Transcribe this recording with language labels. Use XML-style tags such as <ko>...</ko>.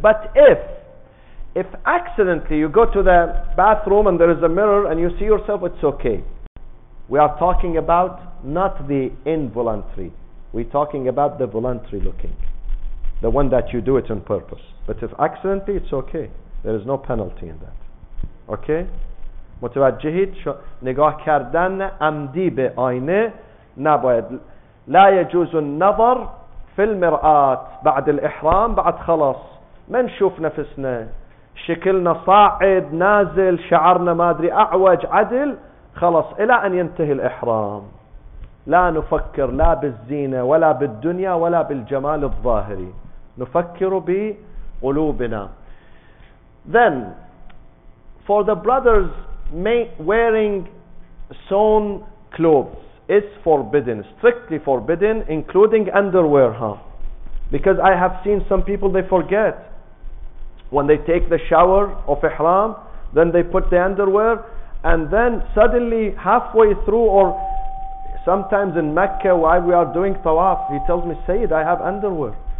<en>But if accidentally you go to the bathroom and there is a mirror and you see yourself, it's okay. We are talking about not the involuntary. We're talking about the voluntary looking. The one that you do it on purpose. But if accidentally, it's okay. There is no penalty in that. Okay?</en> <fa>متوجهید نگاه کردن عمدی به آینه نباید.</fa> <ar>لا يجوز النظر في المرآة بعد الإحرام بعد خلاص. ما نشوف نفسنا. شكلنا صاعد نازل شعرنا ما أدري أعوج عدل خلاص إلى أن ينتهي الإحرام. لا نفكر لا بالزينة ولا بالدنيا ولا بالجمال الظاهري. نفكر بقلوبنا.</ar> <en>Then, for the brothers wearing sewn clothes is forbidden, strictly forbidden, including underwear, huh? Because I have seen some people, they forget. When they take the shower of ihram, then they put the underwear, and then suddenly halfway through, or sometimes in Mecca while we are doing tawaf, he tells me, Sayyid, I have underwear.</en>